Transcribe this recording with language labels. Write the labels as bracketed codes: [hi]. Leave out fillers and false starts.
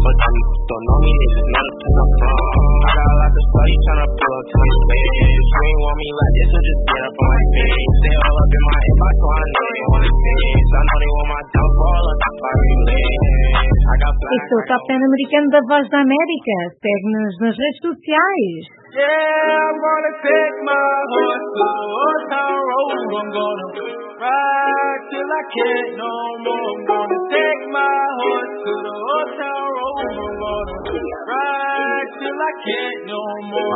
[en] I got a lot to study, tryna pull up to my space. You ain't want me like this, so just get up on my face. They all up in my inbox, so I know they wanna see. I know they want my downfall, I got fiery legs. I got black. [pt] Este é o Top 10 americano da Voz da América. Segue-nos nas redes sociais. [en] Yeah, I'm gonna take my horse to the road. I'm gonna ride till I can't no more. I'm gonna take my horse to the road. I'm gonna ride till I can't no more.